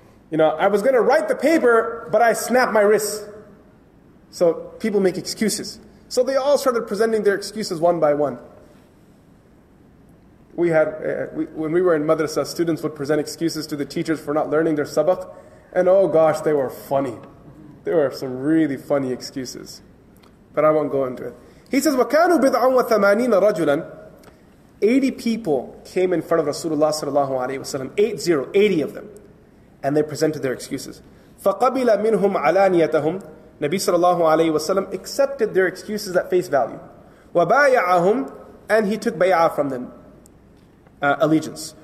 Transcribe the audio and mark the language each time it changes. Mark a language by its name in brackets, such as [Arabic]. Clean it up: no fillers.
[English] You know, I was going to write the paper, but I snapped my wrist. So people make excuses. So they all started presenting their excuses one by one. When we were in madrasa, students would present excuses to the teachers for not learning their sabak. And oh gosh, they were funny. There were some really funny excuses. But I won't go into it. He says, [Arabic] وَكَانُوا بِضْعًا وَثَمَانِينَ رَجُلًا. [English] 80 people came in front of Rasulullah sallallahu alayhi wa sallam, 80 of them, and they presented their excuses. [Arabic] فَقَبِلَ مِنْهُمْ عَلَانِيَتَهُمْ. [English] Nabi sallallahu alayhi wa sallam accepted their excuses at face value. [Arabic] وَبَايَعَهُمْ. [English] And he took bay'ah from them, allegiance.